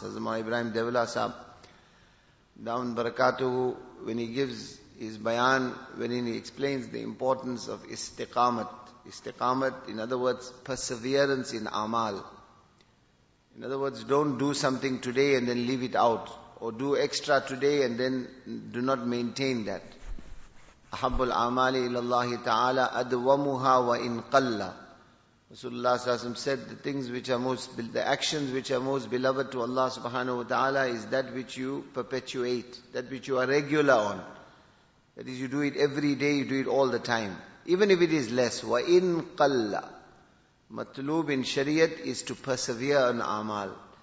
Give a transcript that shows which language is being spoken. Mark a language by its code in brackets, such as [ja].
[en] Hazrat Ibrahim Devla sahab, down barakatuhu, when he gives his bayan, wherein he explains the importance of istiqamat. Istiqamat, in other words, perseverance in amal. In other words, don't do something today and then leave it out. Or do extra today and then do not maintain that. [ar] أحب الأعمال إلى الله تعالى أدومها وإن قل. [en] Rasulullah said, the things which are most, the actions which are most beloved to Allah subhanahu wa ta'ala is that which you perpetuate, that which you are regular on. That is, you do it every day, you do it all the time. Even if it is less. [ar] وإن قل. [en] Matlub in Shariat is to persevere on amal.